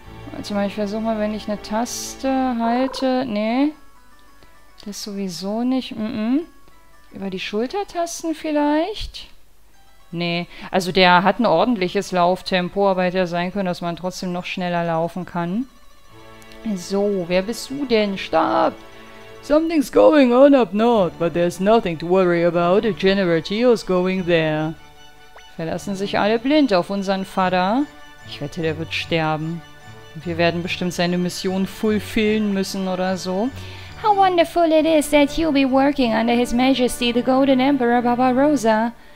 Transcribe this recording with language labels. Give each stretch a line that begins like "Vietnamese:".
German: Warte mal, ich versuche mal, wenn ich eine Taste halte. Nee. Das sowieso nicht. Mm-mm. Über die Schultertasten vielleicht? Nee. Also der hat ein ordentliches Lauftempo, aber hätte ja sein können, dass man trotzdem noch schneller laufen kann. So, wer bist du denn? Stopp!
English: Something's going on up north, but there's nothing to worry about. General Tio's going there.
German: Verlassen sich alle blind auf unseren Vater. Ich wette, der wird sterben. Wir werden bestimmt seine Mission fulfillen müssen oder so.
English: How wonderful it is that you'll be working under His Majesty the Golden Emperor Barbarossa.